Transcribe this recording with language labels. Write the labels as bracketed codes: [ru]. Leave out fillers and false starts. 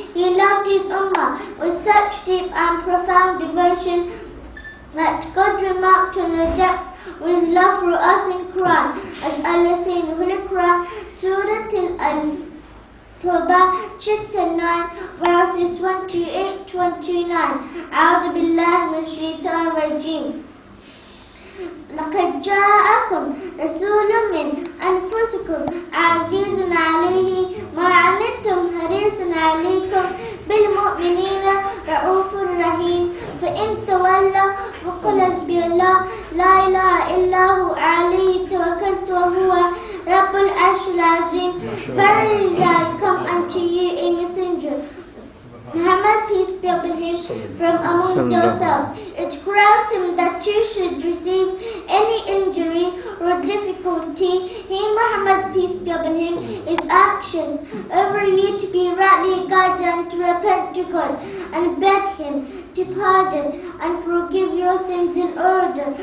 [en] He loved his Ummah with such deep and profound devotion that God remarked on the depth of his love for us in Quran, as Allah said in Holy Quran, Surah Al-Tawbah, chapter 9, verses 28-29. [ar] A'udhu billahi minash shaitanir rajim. لقد جاءكم رسول من أنفسكم عزيز عليه ما عنتم حريص عليكم بالمؤمنين رؤوف رحيم فإن تولوا فقل حسبي الله لا إله إلا هو عليه توكلت وهو رب العرش العظيم فرجعكم [en] unto you a messenger. Muhammad, peace be upon him, from among yourselves. It grieves him that you should receive any injury or difficulty. He, Muhammad, peace be upon him, is anxious over you to be rightly guided and to repent to God and beg him to pardon and forgive your sins in order.